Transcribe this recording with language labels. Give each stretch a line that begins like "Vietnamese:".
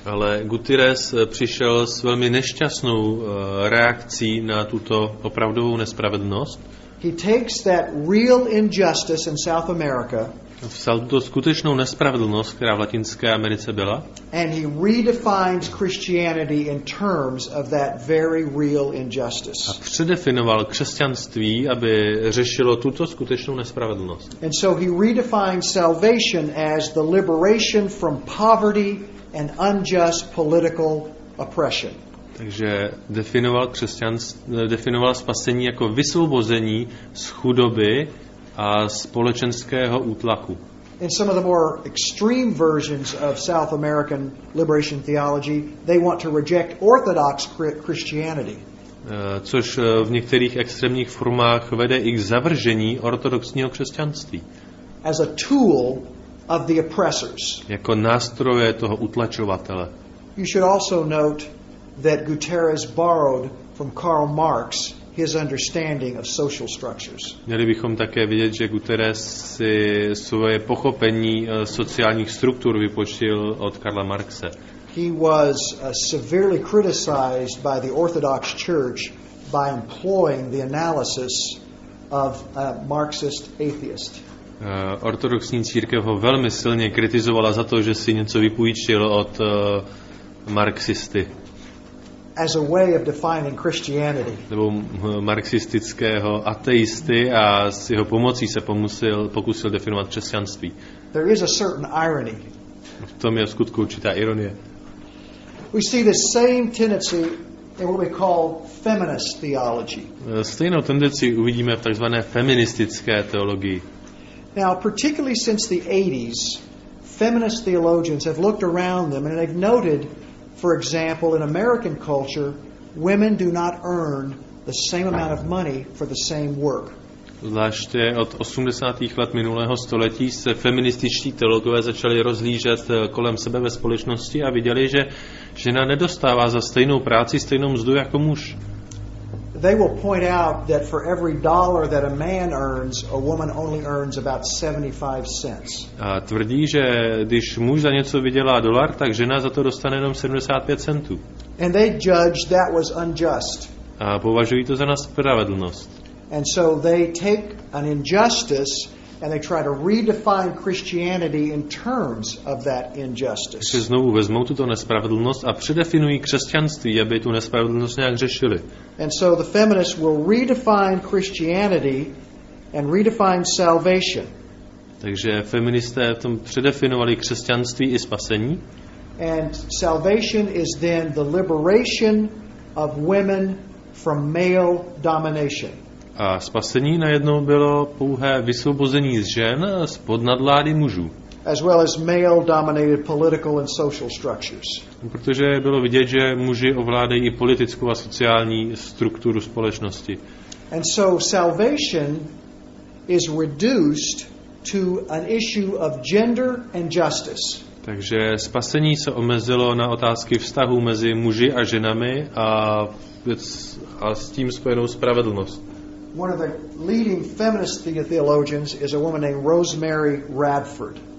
Czech: Ale Guterres přišel s velmi nešťastnou reakcí na tuto opravdovou nespravedlnost.
English: He takes that real injustice in South America.
Czech: Vzal tuto skutečnou nespravedlnost, která v Latinské Americe byla.
English: And he redefines Christianity in terms of that very real injustice.
Czech: A předefinoval křesťanství, aby řešilo tuto skutečnou nespravedlnost.
English: And so he redefines salvation as the liberation from poverty and unjust political oppression.
Czech: Takže definoval definoval spasení jako vysvobození z chudoby a společenského útlaku.
English: In some of the more extreme versions of South American liberation theology, they want to reject orthodox Christianity.
Czech: Což v některých extrémních formách vede i k zavržení ortodoxního křesťanství.
English: As a tool of the oppressors.
Czech: Jako nástroje toho utlačovatele.
English: You should also note that Guterres borrowed from Karl Marx his understanding of social structures.
Czech: Měli bychom také vidět, že Guterres si svoje pochopení sociálních struktur vypočil od Karla Marxe.
English: He was severely criticized by the Orthodox Church by employing the analysis of a Marxist atheist.
Czech: Ortodoxní církev ho velmi silně kritizovala za to, že si něco vypůjčil od marxisty.
English: As a way of defining Christianity.
Czech: Nebo marxistického ateisty a s jeho pomocí se pokusil definovat křesťanství.
English: There is a certain irony.
Czech: V tom je skutku určitá ironie.
English: We see the same tendency in what we call feminist theology.
Czech: Stejnou tendenci uvidíme v takzvané feministické teologii.
English: Now, particularly since the 80s, feminist theologians have looked around them and they've noted, for example, in American culture, women do not earn the same amount of money for the same work.
Czech: Zvláště od 80. let minulého století se feminističtí teologové začali rozhlížet kolem sebe ve společnosti a viděli, že žena nedostává za stejnou práci stejnou mzdu jako muž.
English: They will point out that for every dollar that a man earns, a woman only earns about 75 cents.
Czech: A tvrdí, že když muž za něco vydělá dolar, tak žena za to dostane jenom 75 centů.
English: And they judge that was unjust.
Czech: A považují to za nespravedlnost.
English: And so they take an injustice and they try to redefine Christianity in terms of that injustice.
Czech: Takže znovu vezmou tuto nespravedlnost a předefinují křesťanství, aby tu nespravedlnost nějak řešili.
English: And so the feminists will redefine Christianity and redefine salvation.
Czech: Takže feministé v tom předefinovali křesťanství i spasení.
English: And salvation is then the liberation of women from male domination.
Czech: A spasení najednou bylo pouhé vysvobození z žen spod nadvlády mužů.
English: As well as male dominated political and social structures.
Czech: Protože bylo vidět, že muži ovládají i politickou a sociální strukturu společnosti.
English: And so salvation is reduced to an issue of gender and justice.
Czech: Takže spasení se omezilo na otázky vztahu mezi muži a ženami a s tím spojenou spravedlnost.
English: One of the leading feminist theologians is a woman named Rosemary Radford.